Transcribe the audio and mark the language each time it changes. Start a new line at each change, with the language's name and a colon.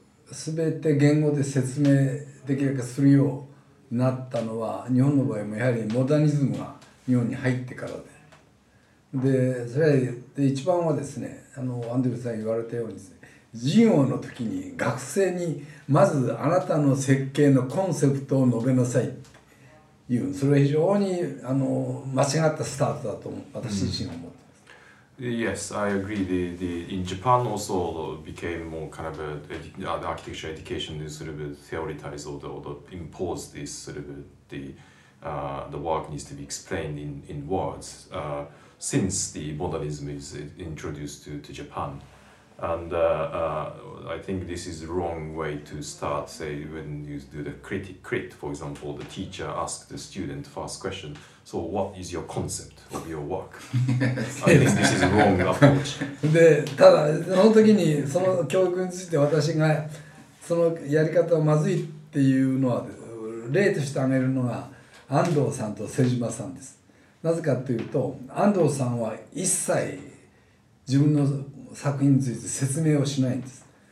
Japanese: 全て言語で説明できるかするようになったのは、日本の場合もやはりモダニズムが日本に入ってからで、でそれで一番はですね、アンドリューさん言われたようにですね、授業の時に学生にまずあなたの設計のコンセプトを述べなさいっていう、それは非常に間違ったスタートだと私自身は思ってます。
English: Yes, I agree. The in Japan also became more kind of the architecture education is sort of theorized or imposed this sort of the work needs to be explained in words. Since the modernism is introduced to Japan, and I think this is the wrong way to start. Say when you do the crit, for example, the teacher asks the student first question. So what is your concept of your work? I think this is a wrong approach.
Japanese: で、ただその時にその教育について私がそのやり方はまずいっていうのは例として挙げるのが安藤さんと瀬島さんです。なぜかというと、安藤さんは一切自分の作品について説明をしないんです。